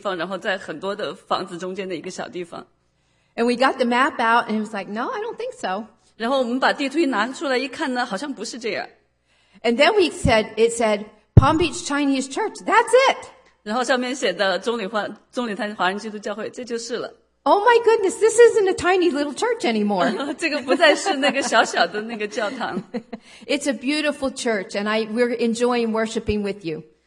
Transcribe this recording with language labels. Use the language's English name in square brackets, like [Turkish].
[Chinese] 我们开始是以为我们要到的这个教会是一个很小的一个地方，然后在很多的房子中间的一个小地方。 [English] And we got the map out, and it was like, no, I don't think so. [Chinese] 然后我们把地图一拿出来一看呢，好像不是这样。 [English] And then we said, it said, Palm Beach Chinese Church, that's it. [Chinese] 然后上面写的中理华人基督教会，这就是了。 [English] Oh my goodness, this isn't a tiny little church anymore. [Chinese] 这个不再是那个小小的那个教堂。 [English] It's a beautiful church, and we're enjoying worshiping with you.